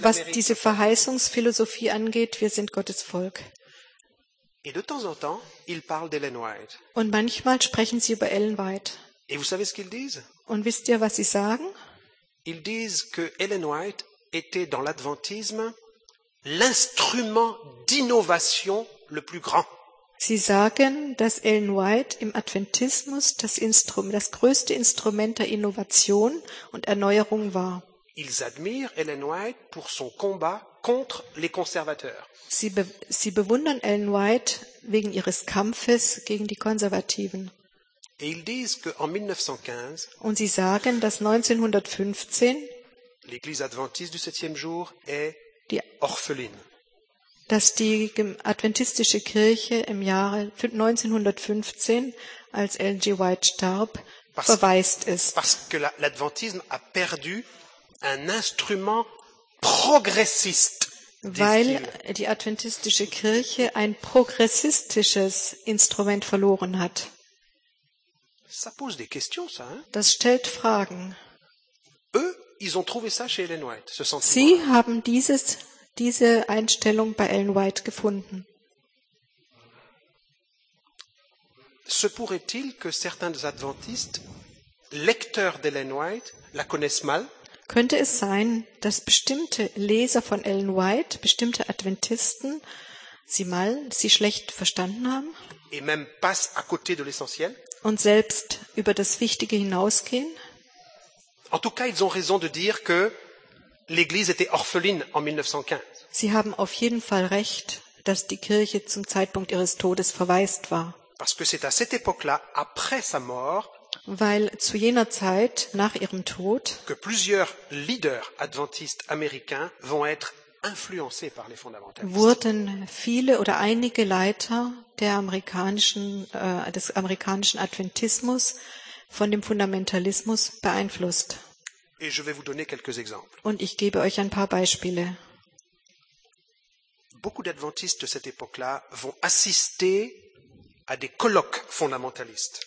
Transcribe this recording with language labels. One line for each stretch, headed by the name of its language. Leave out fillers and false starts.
French: l'Amérique.
German: Was diese Verheißungsphilosophie angeht, wir sind Gottes Volk.
French: Et de temps en temps, ils parlent d'Ellen White.
German: Und manchmal sprechen sie über Ellen White.
French: Et vous savez ce qu'ils disent?
German: Und wisst ihr, was sie sagen?
French: Ils disent que Ellen White était dans l'adventisme l'instrument d'innovation le plus grand.
German: Sie sagen, dass Ellen White im Adventismus das größte Instrument der Innovation und Erneuerung war.
French: Ils admirent Ellen White pour son combat contre les conservateurs.
German: Sie bewundern Ellen White wegen ihres Kampfes gegen die Konservativen.
French: Et ils disent que en 1915,
German: und sie sagen, dass 1915
French: l'Église adventiste du septième jour est orpheline.
German: Dass die adventistische Kirche im Jahre 1915, als Ellen G. White starb, verwaist ist.
French: Parce que l'adventisme a perdu un instrument progressiste.
German: Weil die adventistische Kirche ein progressistisches Instrument verloren hat.
French: Ça pose des questions, ça, hein?
German: Das stellt Fragen.
French: Eux, ils ont trouvé ça chez Ellen White, ce sentiment.
German: Sie haben diese Einstellung bei Ellen White gefunden.
French: Se pourrait-il que certains adventistes, lecteurs d'Ellen White, la connaissent mal?
German: Könnte es sein, dass bestimmte Leser von Ellen White, bestimmte Adventisten, sie schlecht verstanden haben?
French: Et même passent à côté de l'essentiel?
German: Und selbst über das Wichtige hinausgehen?
French: En tout cas, ils ont raison de dire que l'Église était orpheline en 1915.
German: Sie haben auf jeden Fall recht, dass die Kirche zum Zeitpunkt ihres Todes verwaist war.
French: Parce que c'est à cette époque-là, après sa mort,
German: weil zu jener Zeit nach ihrem Tod,
French: que plusieurs leaders adventistes américains vont être influencés par les fondamentalistes.
German: Wurden viele oder einige Leiter des amerikanischen Adventismus von dem Fundamentalismus beeinflusst.
French: Et je vais vous donner quelques exemples.
German: Und ich gebe euch ein paar Beispiele.
French: Beaucoup d'adventistes de cette époque-là vont assister à des colloques fondamentalistes.